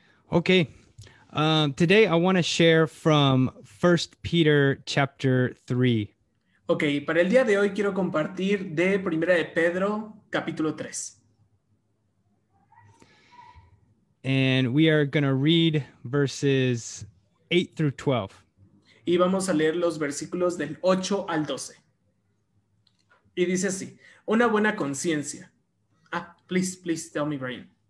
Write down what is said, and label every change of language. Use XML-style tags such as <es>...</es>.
<en>Okay. Today I want to share from 1 Peter chapter 3.</en> <es>Okay, para el día de hoy quiero compartir de Primera de Pedro, capítulo 3.</es> <en>And we are going to read verses 8 through 12.</en> <es>Y vamos a leer los versículos del 8 al 12. Y dice así, una buena conciencia.</es> <en>Ah, please tell me, Brian.</en>